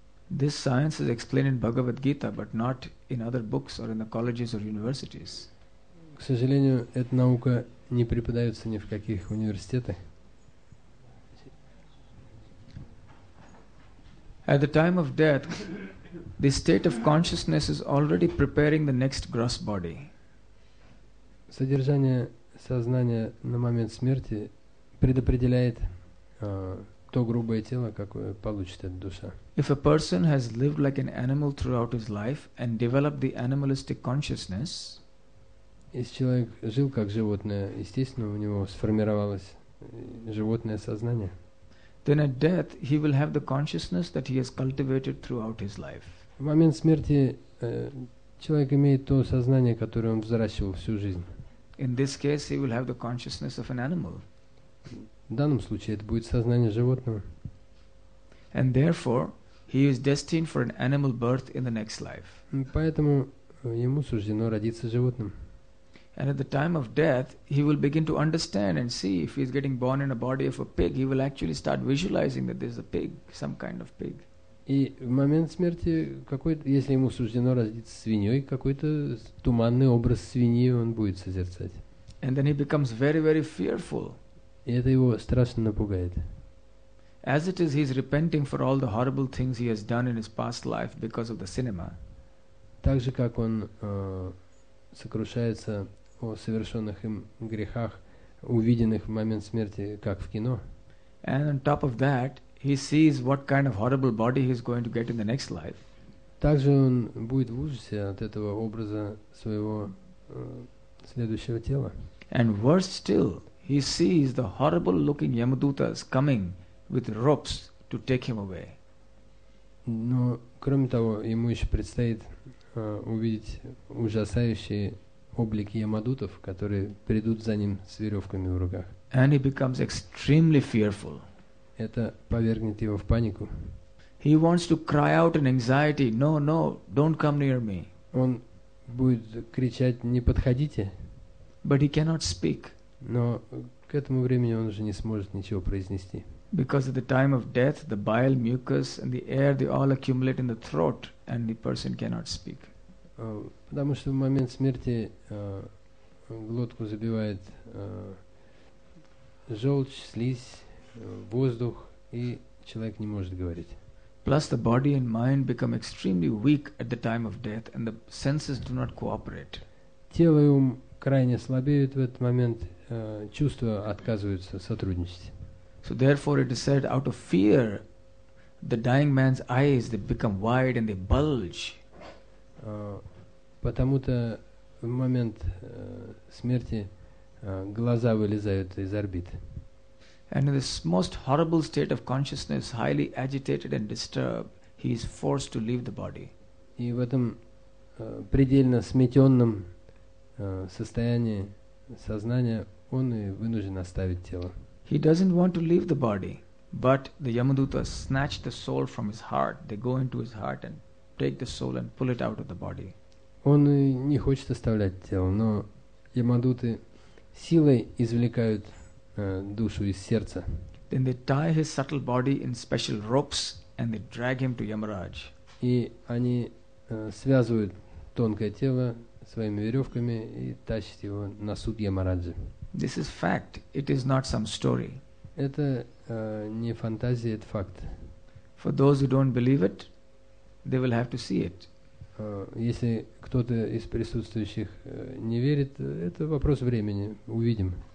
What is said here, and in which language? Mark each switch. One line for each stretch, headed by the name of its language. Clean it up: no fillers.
English: This science is explained in Bhagavad Gita, but not in other books or in the colleges or universities.
Russian: К сожалению, эта наука не преподается ни в каких университетах.
English: At the time of death, the state of consciousness is already preparing the next gross body.
Russian: Содержание сознания на момент смерти предопределяет то грубое тело, какое получит эта душа.
English: If a person has lived like an animal throughout his life and developed the animalistic consciousness,
Russian: если человек жил как животное, естественно, у него сформировалось животное сознание.
English: Then at death he will have the consciousness that he has cultivated throughout his life.
Russian: В момент смерти человек имеет то сознание, которое он взращивал всю жизнь.
English: In this case he will have the consciousness of an animal.
Russian: В данном случае это будет сознание животного.
English: And therefore he is destined for an animal birth in the next life.
Russian: Поэтому ему суждено родиться животным.
English: And at the time of death, he will begin to understand and see if he is getting born in a body of a pig. He will actually start visualizing that there is a pig, some kind of pig.
Russian: И в момент смерти, если ему суждено родиться свиньей, какой-то туманный образ свиньи он будет созерцать.
English: And then he becomes very, very fearful.
Russian: И это его страшно напугает.
English: As it is, he is repenting for all the horrible things he has done in his past life because of the cinema.
Russian: Так же, как он сокрушается о совершенных им грехах, увиденных в момент смерти, как в кино.
English: And on top of that, he sees what kind of horrible body he is going to get in the next life.
Russian: Также он будет в ужасе от этого образа своего следующего тела.
English: And worse still, he sees the horrible-looking yamadutas coming with ropes to take him away.
Russian: Но кроме того, ему еще предстоит увидеть ужасающие облики ямадутов, которые придут за ним с веревками в руках.
English: And he becomes extremely fearful.
Russian: Это повергнет его в панику.
English: He wants to cry out in anxiety, no, no, don't come near me.
Russian: Он будет кричать, не подходите.
English: But he cannot speak.
Russian: Но к этому времени он уже не сможет ничего произнести.
English: Because at the time of death, the bile, mucus, and the air, they all accumulate in the throat, and the person cannot speak.
Russian: Потому что в момент смерти глотку забивает желчь, слизь, воздух, и человек не может говорить.
English: Plus, the body and mind become extremely weak at the time of death, and the senses do not cooperate.
Russian: Тело и ум крайне слабеют в этот момент, чувства отказываются сотрудничать.
English: So therefore it is said, out of fear, the dying man's eyes, they become wide and they bulge.
Russian: Потому-то в момент смерти глаза вылезают из орбит.
English: And in this most horrible state of consciousness, highly agitated and disturbed, he is forced to leave the body.
Russian: И в этом предельно сметенном состоянии сознания он и вынужден оставить тело.
English: He doesn't want to leave the body, but the Yamadutas snatch the soul from his heart. They go into his heart and take the soul and pull it out of the body.
Russian: Он не хочет оставлять тело, но Ямадуты силой извлекают душу из сердца.
English: Then they tie his subtle body in special ropes and they drag him to Yamaraj.
Russian: И они связывают тонкое тело своими веревками и тащат его на суд Ямараджи.
English: This is fact, it is not some story.
Russian: Это не фантазия, это факт.
English: For those who don't believe it, they will have to see it.
Russian: Если кто-то из присутствующих не верит, это вопрос времени, увидим.